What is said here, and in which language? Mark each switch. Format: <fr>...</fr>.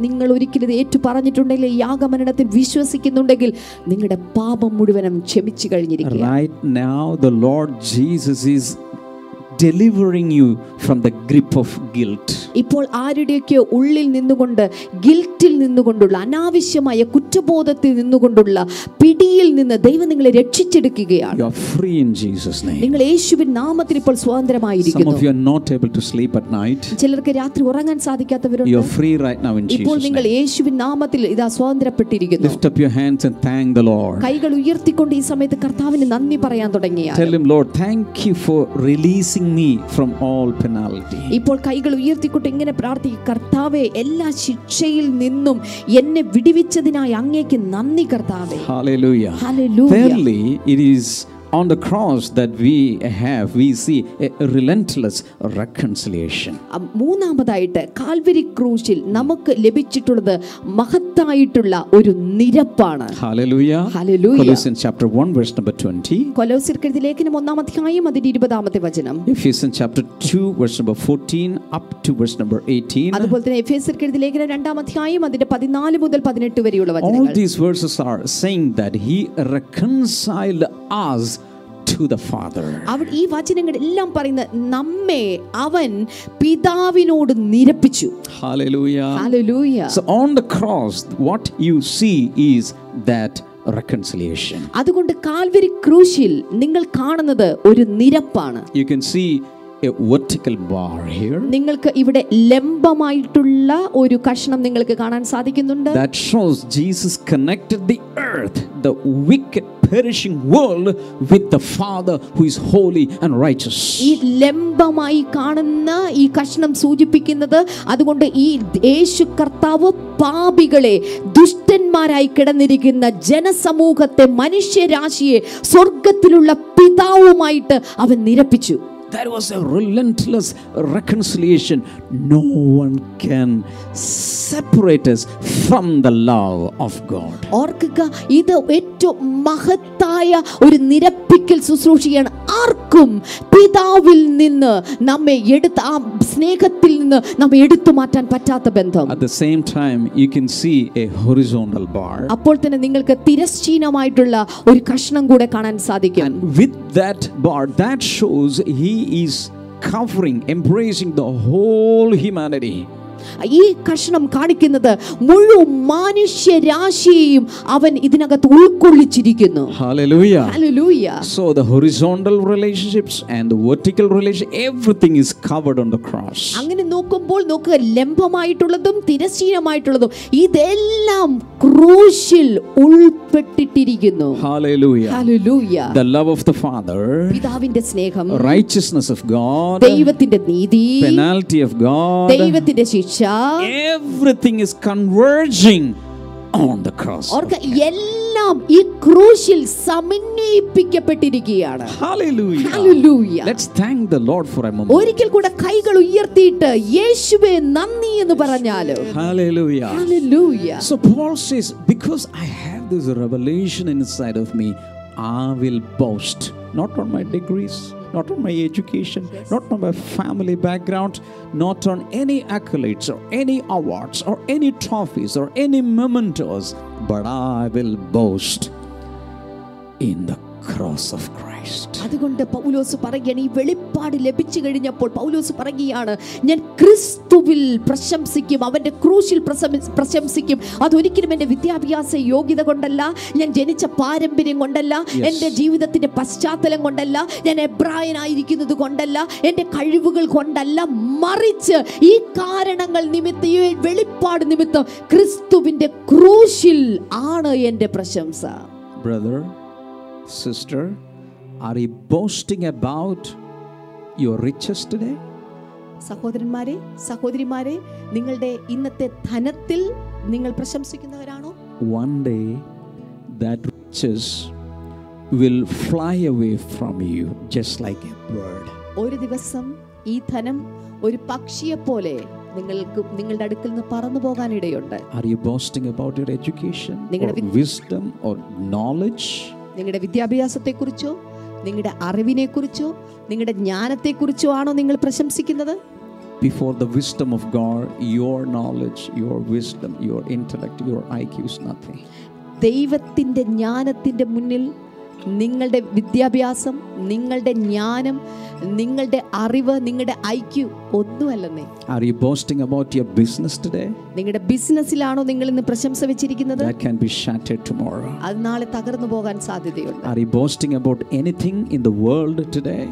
<ml>നിങ്ങൾ ഒരിക്കലും ഏറ്റു പറഞ്ഞിട്ടുണ്ടെങ്കിൽ, യാഗമരണത്തിൽ വിശ്വസിക്കുന്നുണ്ടെങ്കിൽ, നിങ്ങളുടെ പാപം മുഴുവനും ക്ഷമിച്ചു കഴിഞ്ഞിരിക്കുന്നു.</ml> <en>Right now the Lord Jesus is delivering you from the grip of guilt.</en> <ml>ഇപ്പോൾ ആരുടെയൊക്കെ ഉള്ളിൽ നിന്നുകൊണ്ട്, ഗിൽറ്റിൽ നിന്നുകൊണ്ടുള്ള, അനാവശ്യമായ കുറ്റബോധത്തിൽ നിന്നുകൊണ്ടുള്ള പിടിയിൽ നിന്ന് ദൈവം നിങ്ങളെ രക്ഷിച്ചെടുക്കുകയാണ്.</ml> <en>You are free in Jesus name.</en> <ml>നിങ്ങൾ യേശുവിൻ നാമത്തിൽ ഇപ്പോൾ സ്വതന്ത്രമായിരിക്കുന്നു.</ml> <en>Some of you are not able to sleep at night.</en> <ml>ചിലർക്ക് രാത്രി ഉറങ്ങാൻ സാധിക്കാത്തവരുണ്ട്.</ml> <en>You are free right now in Jesus name.</en> <ml>ഇപ്പോൾ നിങ്ങൾ യേശുവിൻ നാമത്തിൽ ഇതാ സ്വതന്ത്രപ്പെട്ടിരിക്കുന്നു.</ml> <en>Lift up your hands and thank the Lord.</en> <ml>കൈകൾ ഉയർത്തിക്കൊണ്ട് ഈ സമയത്ത് കർത്താവിന് നന്ദി പറയാൻ തുടങ്ങിയാൽ.</ml> <en>Tell him, Lord, thank you for releasing me from all penalty.</en> <ml>ഇപ്പോൾ കൈകൾ ഉയർത്തിക്കൊണ്ട് ഇങ്ങനെ പ്രാർത്ഥിക്കുക, കർത്താവേ, എല്ലാ ശിക്ഷയിൽ നിന്നും എന്നെ വിടുവിച്ചതിനായി അങ്ങേക്ക് നന്ദി കർത്താവേ.</ml> <en>Hallelujah.</en> <ml>Hallelujah.</ml> <en>Verily, it is on the cross that we see a relentless reconciliation.</en> <ml>മൂന്നാമതായിട്ട് കാൽവരി ക്രൂശിൽ നമുക്ക് ലഭിച്ചിട്ടുള്ളത് മഹത്തായിട്ടുള്ള ഒരു നിരപ്പാണ്.</ml> <en>Hallelujah.</en> <ml>Hallelujah.</ml> <en>Colossians chapter 1 verse number 20.</en> <ml>കൊലോസ്യർക്കെഴുതിയ ലേഖനം 1-ാം അധ്യായം അതിന്റെ 20-ാമത്തെ വചനം.</ml> <en>Ephesians chapter 2 verse number 14 up to verse number 18.</en> <ml>അതുപോലെ തന്നെ എഫേസ്യർക്കെഴുതിയ ലേഖനം 2-ാം അധ്യായം അതിന്റെ 14 മുതൽ 18 വരെയുള്ള വചനങ്ങൾ.</ml> <en>All these verses are saying that he reconciled us to the father.</en> <ml>അവൻ ഈ വചനങ്ങളെല്ലാം പറയുന്ന നമ്മെ അവൻ പിതാവിനോട് നിരപ്പിച്ചു.</ml> <en>Hallelujah.</en> <ml>Hallelujah.</ml> <en>So on the cross what you see is that reconciliation.</en> <ml>അതുകൊണ്ട് കാൽവരി ക്രൂശിൽ നിങ്ങൾ കാണുന്നത് ഒരു നിരപ്പാണ്.</ml> <en>You can see a vertical bar here.</en> <ml>നിങ്ങൾക്ക് ഇവിടെ ലംബമായിട്ടുള്ള ഒരു കഷ്ണം നിങ്ങൾക്ക് കാണാൻ സാധിക്കുന്നുണ്ട്.</ml> <en>That shows Jesus connected the earth, the wicked perishing world with the Father who is holy and righteous.</en> <ml>ഈ ലംബമായി കാണുന്ന ഈ കഷ്ണം സൂചിപ്പിക്കുന്നത് അതുകൊണ്ട് ഈ യേശു കർത്താവ് പാപികളെ, ദുഷ്ടന്മാരായി കിടന്നിരിക്കുന്ന ജനസമൂഹത്തെ, മനുഷ്യരാശിയെ സ്വർഗത്തിലുള്ള പിതാവുമായിട്ട് അവൻ നിരപ്പിച്ചു.</ml> <en>There was a relentless reconciliation. No one can separate us from the love of God.</en> <ml>ഓർക്കുക, ഇത് ഏറ്റവും മഹത്തായ ഒരു നിരപ്പിക്കൽ ശുശ്രൂഷയാണ്. ആർക്കും പിതാവിൽ നിന്ന് നമ്മെ എടുത്ത് ആ സ്നേഹത്തിൽ നിന്ന് നമ്മെ എടുത്തു മാറ്റാൻ പറ്റാത്ത ബന്ധം.</ml> <en>At the same time you can see a horizontal bar.</en> <ml>അപ്പോൾ തന്നെ നിങ്ങൾക്ക് തിരശ്ചീനമായിട്ടുള്ള ഒരു കഷ്ണം കൂടെ കാണാൻ സാധിക്കും.</ml> <en>And with that bar that shows he is covering, embracing the whole humanity.</en> <ml>ഈ കഷ്ണം കാണിക്കുന്നത് മുഴുവൻ മനുഷ്യരാശിയെയും അവൻ ഇതിനകത്ത് ഉൾക്കൊള്ളിച്ചിരിക്കുന്നു.</ml> <en>Hallelujah.</en> <ml>Hallelujah.</ml> <en>So the horizontal relationships and the vertical relationship, everything is covered on the cross.</en> <ml>അങ്ങനെ നോക്കുമ്പോൾ നോക്കുക, ലംബമായിട്ടുള്ളതും തിരശ്ചീനമായിട്ടുള്ളതും ഇതെല്ലാം ക്രൂശിൽ ഉൾപ്പെട്ടിട്ടിരിക്കുന്നു.</ml> <en>Hallelujah.</en> <ml>Hallelujah.</ml> <en>The love of the Father,</en> <ml>പിതാവിന്റെ സ്നേഹം,</ml> <en>righteousness of God,</en> <ml>ദൈവത്തിന്റെ നീതി,</ml> <en>penalty of God,</en> <ml>ദൈവത്തിന്റെ ശിക്ഷ,</ml> <en>everything is converging on the cross.</en> <ml>ഓർക്കുക, എല്ലാം ഈ ക്രൂശിൽ സമന്വയിപ്പിക്കപ്പെട്ടിരിക്കുകയാണ്.</ml> <en>Hallelujah.</en> <ml>Hallelujah.</ml> <en>Let's thank the Lord for a moment.</en> <ml>ഒരിക്കൽ കൂടെ കൈകൾ ഉയർത്തിയിട്ട് യേശുവേ നന്ദി എന്ന് പറഞ്ഞാലോ.</ml> <en>Hallelujah.</en> <ml>Hallelujah.</ml> <en>So Paul says, because I have this revelation inside of me, I will boast, not on my degrees, not on my education, yes, not on my family background, not on any accolades or any awards or any trophies or any mementos, but I will boast in the cross of Christ.</en> <ml>അതുകൊണ്ട് പൗലോസ് പറയുകയാണ്, ഈ വെളിപ്പാട് ലഭിച്ചു കഴിഞ്ഞപ്പോൾ പൗലോസ് പറയുകയാണ്, ഞാൻ ക്രിസ്തുവിൽ പ്രശംസിക്കും, അവൻ്റെ ക്രൂശിൽ പ്രശംസിക്കും. അതൊരിക്കലും എൻ്റെ വിദ്യാഭ്യാസ യോഗ്യത കൊണ്ടല്ല, ഞാൻ ജനിച്ച പാരമ്പര്യം കൊണ്ടല്ല, എൻ്റെ ജീവിതത്തിൻ്റെ പശ്ചാത്തലം കൊണ്ടല്ല, ഞാൻ എബ്രായനായിരിക്കുന്നത് കൊണ്ടല്ല, എൻ്റെ കഴിവുകൾ കൊണ്ടല്ല, മറിച്ച് ഈ കാരണങ്ങൾ നിമിത്തം, ഈ വെളിപ്പാട് നിമിത്തം ക്രിസ്തുവിൻ്റെ ക്രൂശിൽ ആണ് എൻ്റെ പ്രശംസ.</ml> <en>Brother, sister, are you boasting about your riches today?</en> <ml>സഹോദരന്മാരെ, സഹോദരിമാരെ, നിങ്ങളുടെ ഇന്നത്തെ ധനത്തിൽ നിങ്ങൾ പ്രശംസിക്കുന്നവരാണോ?</ml> <en>One day that riches will fly away from you just like a bird.</en> <ml>ഒരു ദിവസം ഈ ധനം ഒരു പക്ഷിയെ പോലെ നിങ്ങൾക്ക് നിങ്ങളുടെ അടുക്കൽ നിന്ന് പറന്നു പോകാൻ ഇടയുണ്ട്.</ml> <en>Are you boasting about your education?</en> <ml>നിങ്ങളുടെ</ml> <en>wisdom or knowledge?</en> <ml>നിങ്ങളുടെ വിദ്യാഭ്യാസത്തെക്കുറിച്ചോ നിങ്ങളുടെ അറിവിനെക്കുറിച്ചോ നിങ്ങളുടെ ജ്ഞാനത്തെക്കുറിച്ചോ ആണോ നിങ്ങൾ പ്രശംസിക്കുന്നത്?</ml> <en>Before the wisdom of God, your knowledge, your wisdom, your intellect, your IQ is nothing.</en> <ml>ദൈവത്തിന്റെ ജ്ഞാനത്തിന്റെ മുന്നിൽ നിങ്ങളുടെ വിദ്യാഭ്യാസം, നിങ്ങളുടെ ജ്ഞാനം, നിങ്ങളുടെ അറിവ്, നിങ്ങളുടെ IQ ഒന്നുമല്ലന്നേ.</ml> <en>Are you boasting about your business today?</en> <ml>നിങ്ങളുടെ ബിസിനസ്സിലാണോ നിങ്ങൾ ഇന്ന് പ്രശംസ വെച്ചിരിക്കുന്നത്?</ml> <en>That can be shattered tomorrow.</en> <ml>അത് നാളെ തകർന്നു പോകാൻ സാധ്യതയുണ്ട്.</ml> <en>Are you boasting about anything in the world today?</en>